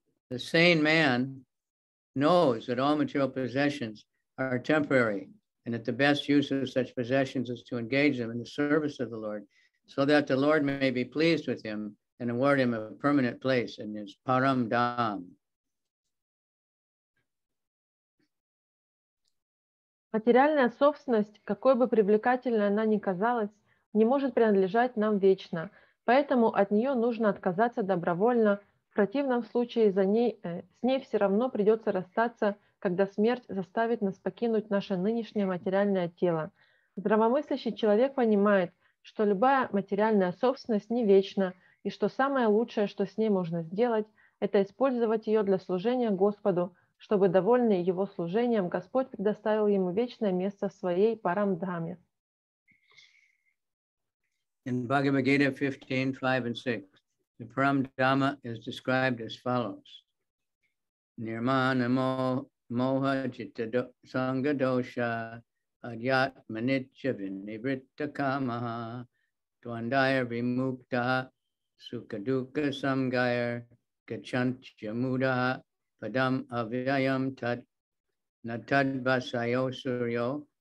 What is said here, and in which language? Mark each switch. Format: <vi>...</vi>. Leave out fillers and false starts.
<en>The sane man knows that all material possessions are temporary and that the best use of such possessions is to engage them in the service of the Lord so that the Lord may be pleased with him and award him a permanent place in his param dham.</en> <ru>Материальная собственность, какой бы привлекательной она ни казалась, не может принадлежать нам вечно, поэтому от нее нужно отказаться добровольно, в противном случае с ней все равно придется расстаться, когда смерть заставит нас покинуть наше нынешнее материальное тело. Здравомыслящий человек понимает, что любая материальная собственность не вечна, и что самое лучшее, что с ней можно сделать, это использовать ее для служения Господу, чтобы, довольный его служением, Господь предоставил ему вечное место в своей парамдхаме.</ru> <en>In Bhagavad Gita 15:5-6, the парамдхама is described as follows.</en> <sa>Nirmana moha citta sangha dosha adhyatma nitya vinivritta kamaha tvandaya vimukta sukaduka samgayar gachantya mudaha padam avyayam tat natad vasayo suryo</sa>